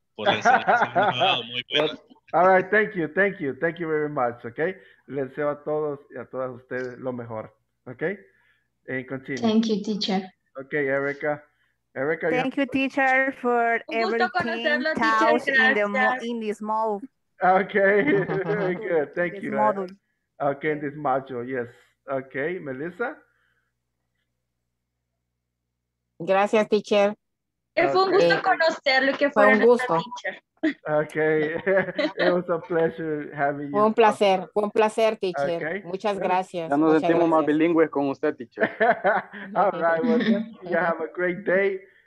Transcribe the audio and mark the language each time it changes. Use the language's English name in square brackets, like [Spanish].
[English] All right, thank you, thank you, thank you very much, okay? [Spanish] Les deseo a todos y a todas ustedes lo mejor, okay? [English] And continue. Thank you, teacher. Okay, Erica. Erica, thank you, teacher, for everything in this module. Okay, very good, thank you. Right? Okay, in this module, yes. Okay, Melissa? [Spanish] Gracias, teacher. Fue un gusto conocerlo y que fuera nuestra [English] teacher. Okay, it was a pleasure having you. [Spanish] Fue un placer, teacher. Okay. Muchas gracias. Ya nos sentimos más bilingües con usted, teacher. [English] All right, well, you have a great day.